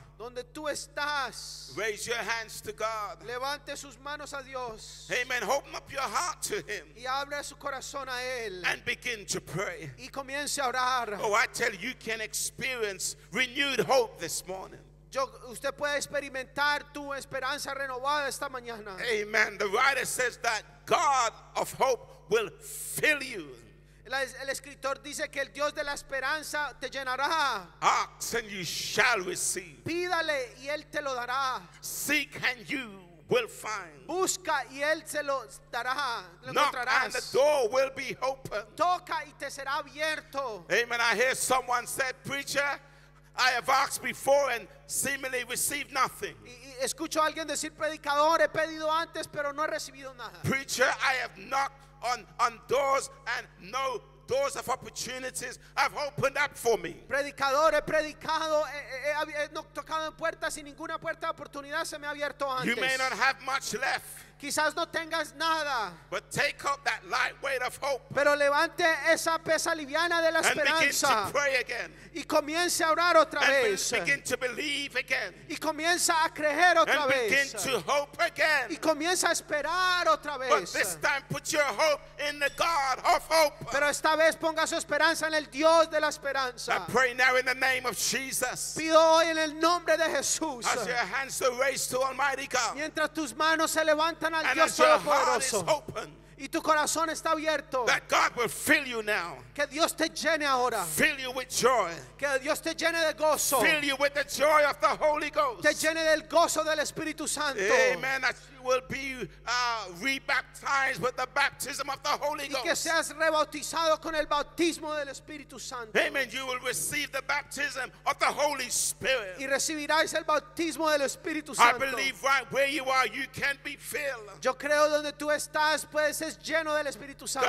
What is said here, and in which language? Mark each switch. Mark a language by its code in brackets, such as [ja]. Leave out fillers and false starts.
[es] Donde tú estás. [en] Raise your hands to God. [es] Levante sus manos a Dios. [en] Amen. Open up your heart to Him. [es] Y abre su corazón a Él. [en] And begin to pray. [es] Y comience a orar. [en] Oh, I tell you, you can experience renewed hope this morning. [es] Usted puede experimentar tu esperanza renovada esta mañana. [en] Amen. The writer says that God of hope will fill you. [es] El escritor dice que el Dios de la esperanza te llenará. [en] Ask and you shall receive. [es] Pídale y él te lo dará. [en] Seek and you will find. [es] Busca y él se lo dará. [en] Knock and the door will be open. [es] Toca y te será abierto. [en] Amen. I hear someone said, preacher, I have asked before and seemingly received nothing. [es] Escucho a alguien decir, predicador, he pedido antes pero no he recibido nada. [en] Preacher, I have knocked on doors and no doors of opportunities have opened up for me. [es] Predicador, he predicado, he tocado en puertas y ninguna puerta de oportunidad se me ha abierto antes. [en] You may not have much left. [es] Quizás no tengas nada. [en] But take up that light weight of hope. [es] Pero levante esa pesa liviana de la esperanza. [en] And begin to pray again. [es] Y comience a orar otra vez. [en] And begin to believe again. [es] Y comience a creer otra [en] and [es] vez. [en] Begin to hope again. [es] Y comience a esperar otra vez. [en] But this time put your hope in the God of hope. [es] Pero esta vez ponga su esperanza en el Dios de la esperanza. [en] I pray now in the name of Jesus. [es] Pido hoy en el nombre de Jesús. [en] As your hands are raised to Almighty God. [es] Mientras tus manos se levantan. [en] And as your heart is open, [es] y tu corazón está abierto, [en] that God will fill you now. [es] Que Dios te llene ahora. [en] Fill you with joy. [es] Que Dios te llene de gozo. [en] Fill you with the joy of the Holy Ghost. [es] Te llene del gozo del Espíritu Santo. [en] Amen. That you will be rebaptized with the baptism of the Holy Ghost. [es] Y que seas rebautizado con el bautismo del Espíritu Santo. [en] Amen. You will receive the baptism of the Holy Spirit. [es] Y recibirás el bautismo del Espíritu Santo. [en] I believe right where you are, you can be filled. [es] Yo creo donde tú estás puedes ser lleno del Espíritu Santo.